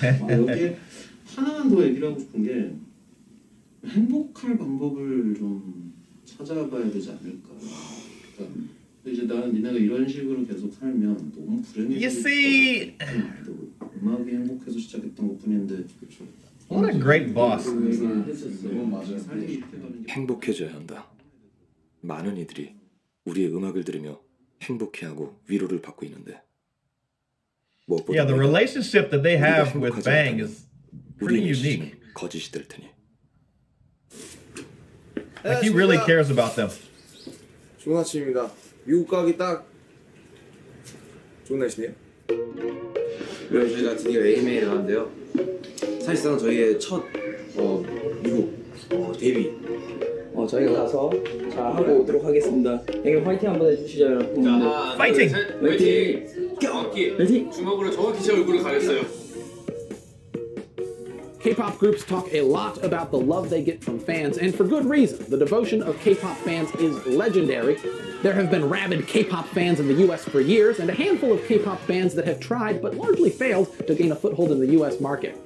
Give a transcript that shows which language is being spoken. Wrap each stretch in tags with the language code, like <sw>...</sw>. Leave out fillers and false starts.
<ko>여기 하나만 더 얘기를 하고 싶은 게 행복할 방법을 좀 찾아봐야 되지 않을까 이제 나는 니네가 이런 식으로 계속 살면 너무 불행해질 것 같아 음악이 행복해서 시작했던 것뿐인데</ko> <en>What a great boss</en> <ko>행복해져야 한다 많은 이들이 우리의 음악을 들으며 행복해하고 위로를 받고 있는데 무엇보다</ko> <en>Yeah, the relationship that they have with Bang is pretty unique</en> <ko>거짓이 될 테니</ko> <en>Like he really cares about them</en> <ko>좋은 아침입니다 미국 가기 딱 좋은 날씨네요 그럼 저희가 드디어 AMA에 나왔는데요 사실상 저희의 첫 미국 데뷔 저희가 가서 잘 하고 오도록 하겠습니다 형님 화이팅 한번 해주시죠 여러분 자, 화이팅! 화이팅! 화이팅! 주먹으로 정확히 제 얼굴을 가렸어요</ko> <en>K-pop groups talk a lot about the love they get from fans, and for good reason. The devotion of K-pop fans is legendary. There have been rabid K-pop fans in the U.S. for years, and a handful of K-pop fans that have tried but largely failed to gain a foothold in the U.S. market.</en>